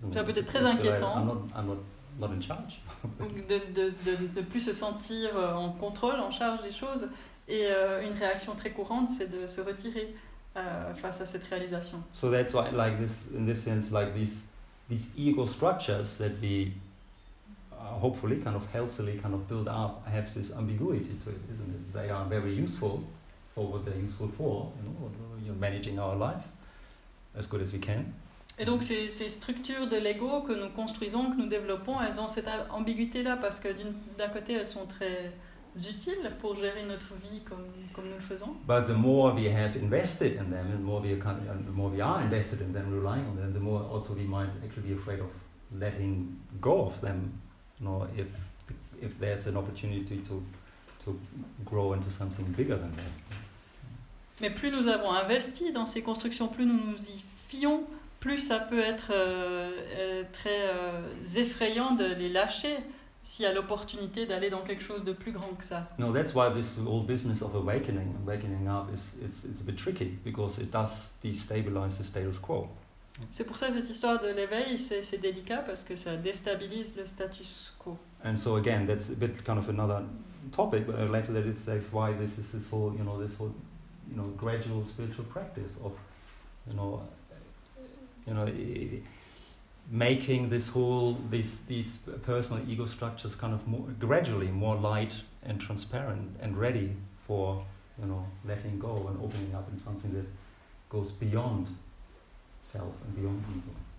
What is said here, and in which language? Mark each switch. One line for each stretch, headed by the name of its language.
French: Ça peut être très inquiétant.
English: I'm not in charge.
French: de plus se sentir en contrôle, en charge des choses. Et une réaction très courante, c'est de se retirer face à cette réalisation.
English: So that's why, like this, in this sense, like these ego structures that we hopefully kind of healthily kind of build up have this ambiguity to it, isn't it? They are very useful for what they're useful for, you know, you're managing our life as good as we can.
French: Et donc ces structures de l'ego que nous construisons, que nous développons, elles ont cette ambiguïté-là parce que d'un côté, elles sont très utiles pour gérer notre vie comme nous le faisons.
English: But the more we have invested in them, the more we are invested in them, relying on them, the more also we might actually be afraid of letting go of them, you know, if there's an opportunity to grow into something bigger than that.
French: Mais plus nous avons investi dans ces constructions, plus nous nous y fions, plus ça peut être très effrayant de les lâcher. S'il y a l'opportunité d'aller dans quelque chose de plus grand que ça.
English: No, that's why this whole business of awakening up is a bit tricky because it does destabilize the status quo.
French: C'est pour ça cette histoire de l'éveil, c'est délicat parce que ça déstabilise le status quo.
English: And so again, that's a bit kind of another topic, but later that it's that's why this is this whole, you know, this whole, you know, gradual spiritual practice of, you know. Making this whole, these personal ego structures kind of more, gradually more light and transparent and ready for, you know, letting go and opening up in something that goes beyond self and beyond ego.